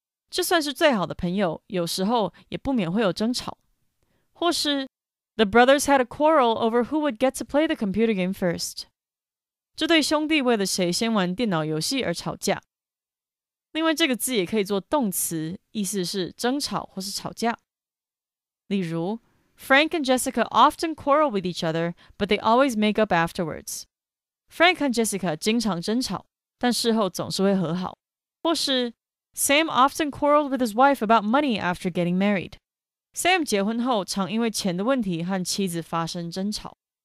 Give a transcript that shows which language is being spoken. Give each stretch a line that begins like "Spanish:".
Chinese: 就算是最好的朋友有时候也不免会有争吵。或是
English: ,the brothers had a quarrel over who would get to play the computer game first.
Chinese: 这对兄弟为了谁先玩电脑游戏而吵架。另外这个字也可以做动词，意思是争吵或是吵架。例如
English: ,Frank and Jessica often quarrel with each other, but they always make up afterwards.
Chinese: Frank 和 Jessica 经常争吵，但事后总是会和好。或是
English: ,Sam often quarreled with his wife about money after getting married.
Chinese: Sam 结婚后常因为钱的问题和妻子发生争吵。